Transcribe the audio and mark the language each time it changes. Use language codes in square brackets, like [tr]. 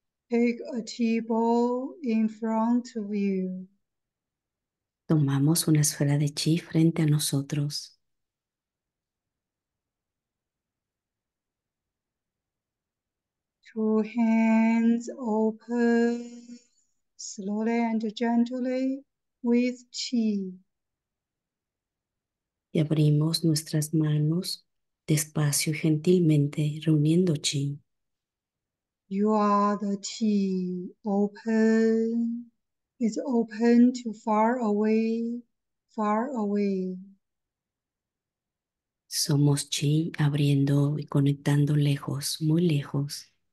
[en] Take a tea bowl in front of you. [es] Tomamos una esfera de chi frente a nosotros. [en] Two hands open slowly and gently with chi. [es] Y abrimos nuestras manos despacio y gentilmente, reuniendo chi. [en] You are the chi, open, it's open to far away, far away. [es] Somos chi abriendo y conectando lejos, muy lejos.